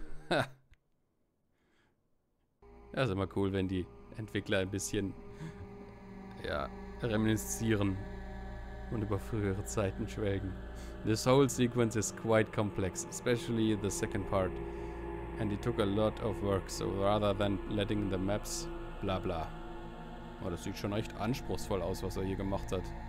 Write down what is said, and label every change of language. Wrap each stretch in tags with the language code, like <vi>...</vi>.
<de>Ja, ist immer cool, wenn die Entwickler ein bisschen, ja, reminiszieren und über frühere Zeiten schwelgen.</de> <en>This whole sequence is quite complex, especially the second part. And it took a lot of work, so rather than letting the maps bla bla.</en> <de>Oh, das sieht schon echt anspruchsvoll aus, was er hier gemacht hat.</de>